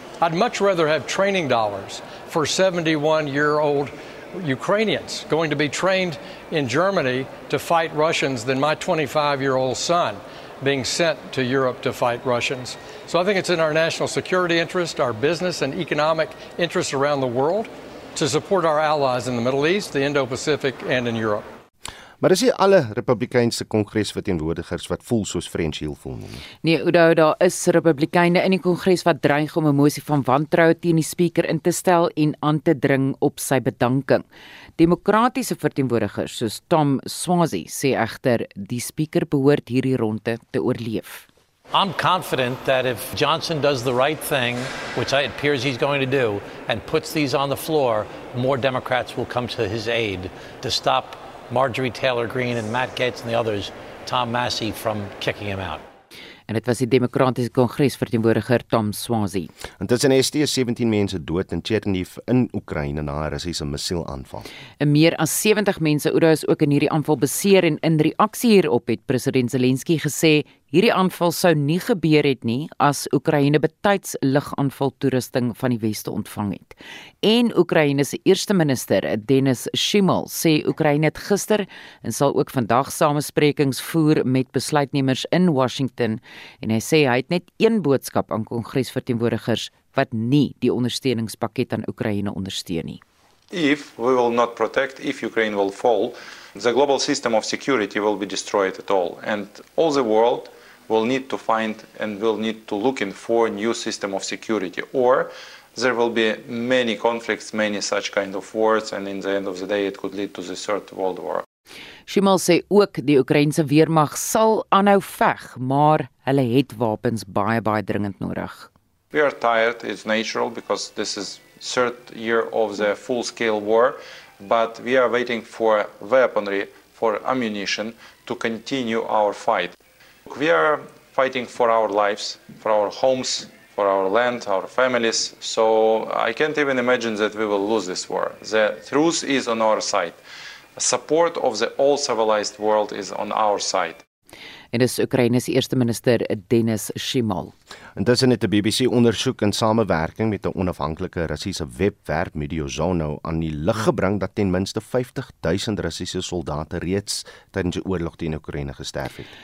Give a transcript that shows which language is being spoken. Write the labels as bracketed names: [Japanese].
[English] I'd much rather have training dollars for 71-year-old Ukrainians going to be trained in Germany to fight Russians than my 25-year-old son being sent to Europe to fight Russians. So I think it's in our national security interest, our business and economic interests around the world to support our allies in the Middle East, the Indo-Pacific, and in Europe. [Afrikaans] Maar is nie alle Republikeinse kongresverteenwoordigers wat voel soos French Hill voel nie? Nee, Udo, daar is Republikeine in die kongres wat dreig om 'n motie van wantrou teen die speaker in te stel en aan te dring op sy bedanking. Demokratiese verteenwoordigers soos Tom Swazi sê egter die speaker behoort hierdie ronde te oorleef. [English] I'm confident that if Johnson does the right thing, which it appears he's going to do, and puts these on the floor, more Democrats will come to his aid to stop Marjorie Taylor Greene and Matt Gaetz and the others, Tom Massey, from kicking him out. [Afrikaans] En dit was die Demokratiese Kongresverteenwoordiger Tom Swazi. Intussen is 17 mense dood in Chernihiv in Oekraïne na 'n Russiese missielaanval. En meer as 70 mense oor is ook in hierdie aanval beseer en in reaksie hierop het president Zelensky gesê hierdie aanval sou nie gebeur het nie as Oekraïne betyds ligaanval toerusting van die weste ontvang het. En Oekraïne se eerste minister, Denis Shmyhal, sê Oekraïne het gister en sal ook vandag samesprekings voer met besluitnemers in Washington en hy sê hy het net een boodskap aan kongresverteenwoordigers wat nie die ondersteuningspakket aan Oekraïne ondersteun nie. [English] If we will not protect, if Ukraine will fall, the global system of security will be destroyed at all. And all the world will need to find and will need to look in for a new system of security. Or there will be many conflicts, many such kind of wars, and in the end of the day it could lead to the third world war. [Afrikaans] Shmyhal sê ook die Oekraïense weermag sal aanhou veg, maar hulle het wapens baie, baie dringend nodig. [English] We are tired, it's natural, because this is third year of the full-scale war, but we are waiting for weaponry, for ammunition to continue our fight. We are fighting for our lives, for our homes, for our land, our families, so I can't even imagine that we will lose this war. The truth is on our side. Support of the all civilized world is on our side. [Afrikaans] En dis Oekraïne se eerste minister Denis Shmyhal. Intussen het die BBC ondersoek in samewerking met 'n onafhankelike Russiese webwerf Mediazono aan die lig gebring dat ten minste 50,000 Russiese soldate reeds tydens die oorlog teen Oekraïne gesterf het.